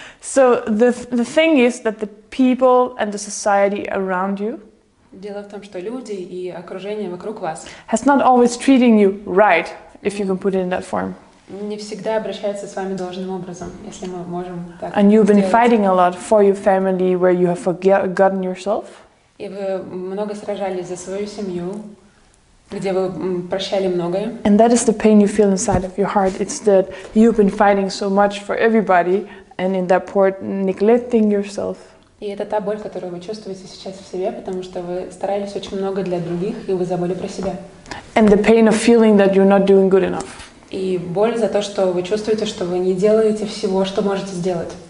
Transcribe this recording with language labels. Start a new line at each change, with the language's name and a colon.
English: So the thing is that the people and the society around you.
Russian: Дело в том, что люди и окружение вокруг вас.
English: Has not always treating you right, if you can put it in that form.
Russian: Не всегда обращается с вами должным образом, если мы можем так.
English: And you've been fighting a lot for your family, where you have forgotten yourself.
Russian: И вы много сражались за свою семью, где вы прощали многое.
English: And that is the pain you feel inside of your heart. It's that you've been fighting so much for everybody, and in that part neglecting yourself.
Russian: И это та боль, которую вы чувствуете сейчас в себе, потому что вы старались очень много для других, и вы забыли про себя.
English: And the pain of feeling that you're not doing good enough.
Russian: И боль за то, что вы чувствуете, что вы не делаете всего, что можете сделать.